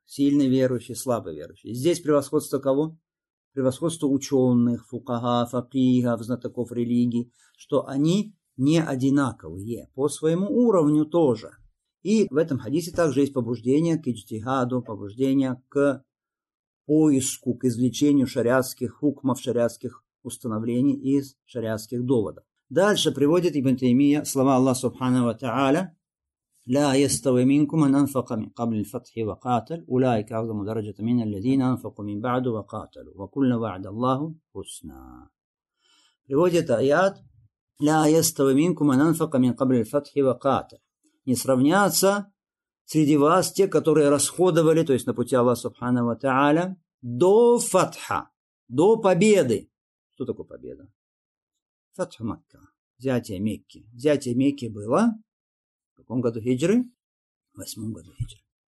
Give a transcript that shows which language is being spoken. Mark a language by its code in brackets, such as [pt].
[ru] Сильный верующий, слабый верующий. Здесь превосходство кого? Превосходство ученых, фукаха, фапиха, знатоков религии, что они не одинаковые по своему уровню тоже. И в этом хадисе также есть побуждение к иджтихаду, побуждение к поиску, к извлечению шариатских хукмов, шариатских установлений из шариатских доводов. Дальше приводит Ибн Таймия слова Аллаха Субхана ва Тааля: [ar] لا يستوي منكم من أنفق من قبل الفتح وقاتل أولئك أعظم درجة من الذين أنفقوا من بعد وقاتلوا وكل وعد الله حسنا. [ru] Приводит аят: [ar] لا يستوي منكم من أنفق من قبل الفتح وقاتل. [ru] Не сравнятся среди вас те, которые расходовали, то есть на пути Аллаха Субхана ва Тааля, до фатха, до победы. Что такое победа? Фатх Макка, взятие Мекки. Взятие Мекки было в каком году хиджры? В 8-м году хиджры.